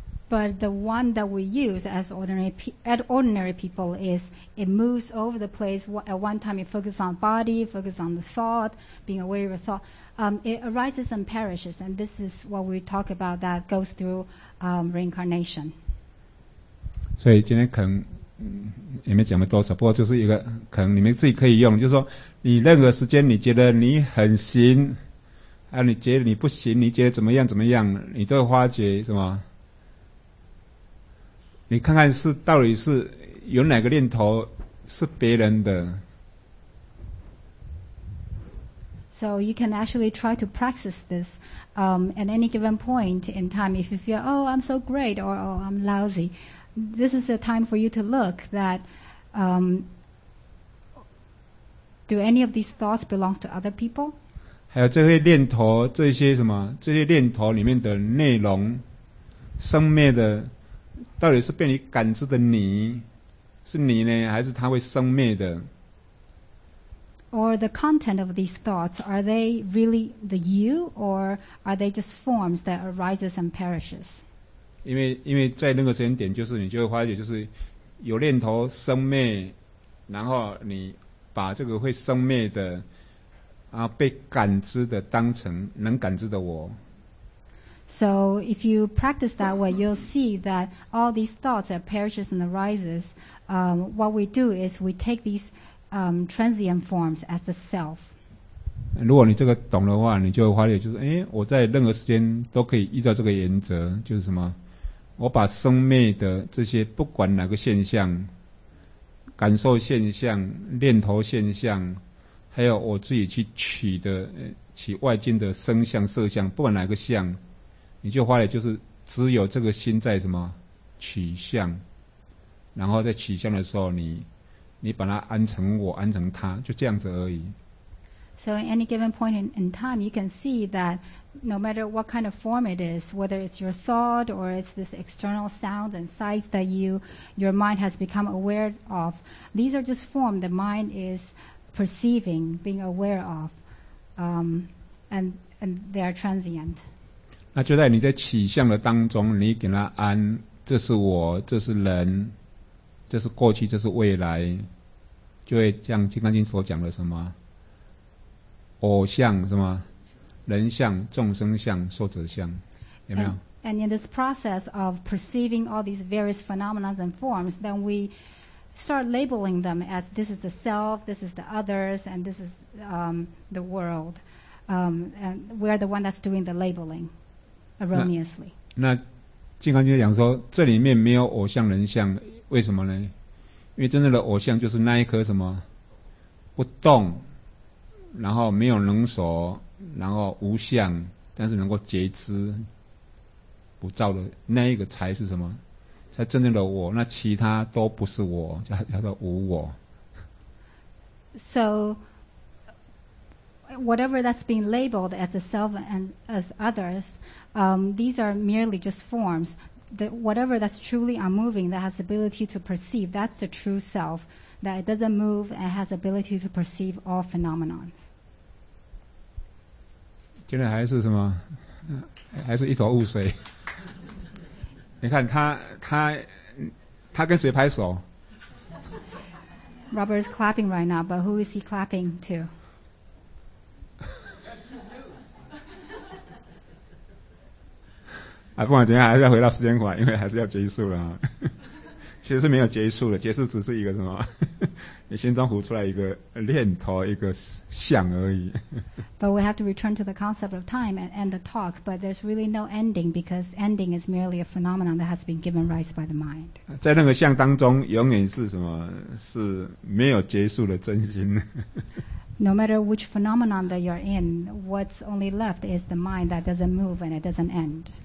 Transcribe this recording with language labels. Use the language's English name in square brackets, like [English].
[English] But the one that we use as ordinary people is it moves over the place. At one time, it focuses on body, focuses on the thought, being aware of thought. It arises and perishes, and this is what we talk about that goes through reincarnation. [Chinese] 所以今天可能也没讲多少，不过就是一个可能你们自己可以用，就是说你任何时间你觉得你很行，啊，你觉得你不行，你觉得怎么样怎么样，你都发觉什么？你看看是到底是有哪个念头是别人的。 [English] So you can actually try to practice this at any given point in time. If you feel, oh, I'm so great, or oh, I'm lousy, this is the time for you to look that do any of these thoughts belong to other people? [Chinese] 还有这些念头，这些什么？这些念头里面的内容，生灭的，到底是被你感知的你，是你呢，还是它会生灭的？ [English] Or the content of these thoughts, are they really the you, or are they just forms that arises and perishes? [Chinese] 因为在那个时间点，就是你就会发觉，就是有念头生灭，然后你把这个会生灭的，啊，被感知的当成能感知的我。 [English] So if you practice that way, you'll see that all these thoughts that perishes and arises, what we do is we take these. Transient forms as the self. [Chinese] 如果你这个懂的话，你就会发觉，就是哎，我在任何时间都可以依照这个原则，就是什么，我把生灭的这些不管哪个现象、感受现象、念头现象，还有我自己去取的取外境的声相、色相，不管哪个相，你就发觉就是只有这个心在什么取相，然后在取相的时候你。你把它安成我，安成他，就这样子而已。 [English] So at any given point in time, you can see that no matter what kind of form it is, whether it's your thought or it's this external sound and sights that your mind has become aware of, these are just forms the mind is perceiving, being aware of, and they are transient. [Chinese] 那就在你在起相的当中，你给它安，这是我，这是人。这是过去，这是未来，就会像《金刚经》所讲的什么，偶像什么，人相、众生相、受者相，有没有 [English] ？And in this process of perceiving all these various phenomena and forms, then we start labeling them as this is the self, this is the others, and this is the world. And we're the one that's doing the labeling erroneously. [Chinese] 那《金刚经》讲说，这里面没有偶像、人相。为什么呢？因为真正的偶像就是那一颗什么不动，然后没有能所，然后无相，但是能够觉知不照的那一个才是什么？才真正的我，那其他都不是我，叫做无我。 [English] So whatever that's being labeled as a self and as others, these are merely just forms. Whatever that's truly unmoving, that has ability to perceive, that's the true self. That it doesn't move and has ability to perceive all phenomena. [Chinese] 现在还是什么？还是一头雾水。你看他跟谁拍手？ [English] Robert is clapping right now, but who is he clapping to? [Chinese] 啊，不管怎样，还是要回到时间馆，因为还是要结束了。其实是没有结束的，结束只是一个什么？你心中浮出来一个念头，一个想而已。 [English] But we have to return to the concept of time and end the talk. But there's really no ending because ending is merely a phenomenon that has been given rise by the mind. [Chinese] 在那个相当中，永远是什么？是没有结束的真心。 [English] No matter which phenomenon that you're in, what's only left is the mind that doesn't move and it doesn't end.